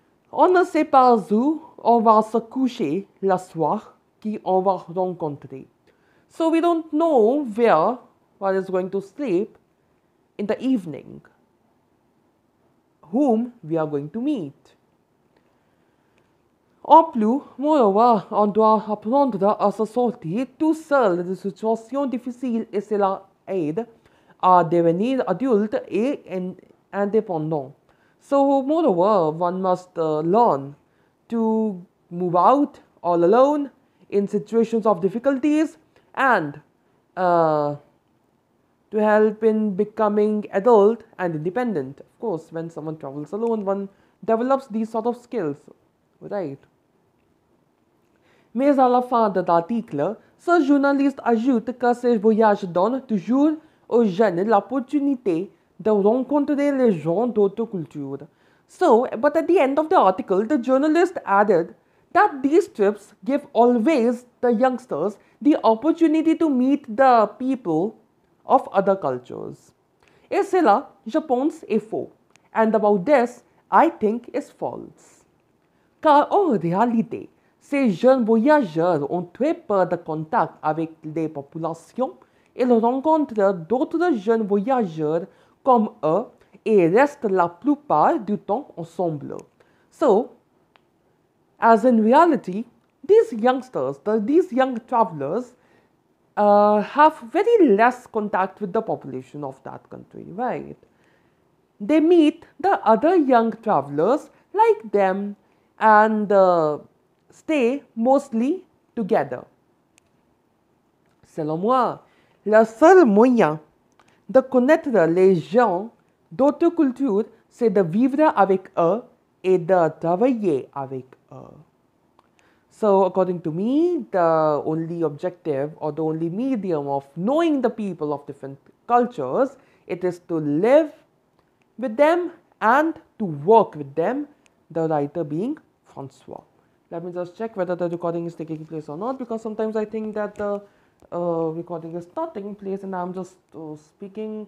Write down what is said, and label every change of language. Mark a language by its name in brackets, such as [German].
[French] On ne sait pas où on va se coucher la soir qui on va rencontrer. [English] So we don't know where one is going to sleep in the evening, whom we are going to meet. [French] En plus, moreover, on doit apprendre à se sortir tout seul des situations difficiles et cela aide à devenir adulte et indépendant. [English] So, moreover, one must learn to move out all alone in situations of difficulties and to help in becoming adult and independent. Of course, when someone travels alone, one develops these sort of skills, right? [French] Mais à la fin de l'article, ce journaliste ajoute que ces voyages donnent toujours aux jeunes l'opportunité de rencontrer les gens d'autres cultures. [English] So, but at the end of the article, the journalist added that these trips give always the youngsters the opportunity to meet the people of other cultures. [French] Et cela, je pense, est faux. [English] And about this, I think is false. [French] Car en réalité, ces jeunes voyageurs ont très peu de contact avec les populations. Ils rencontrent d'autres jeunes voyageurs comme eux et restent la plupart du temps ensemble. [English] So, as in reality, these young travelers, have very less contact with the population of that country, right? They meet the other young travelers like them and stay mostly together. [French] Selon moi, le seul moyen de connaître les gens d'autres cultures, c'est de vivre avec eux et de travailler avec eux. [English] So, according to me, the only objective or the only medium of knowing the people of different cultures, it is to live with them and to work with them, the writer being François. Let me just check whether the recording is taking place or not, because sometimes I think that the recording is not taking place and I'm just speaking.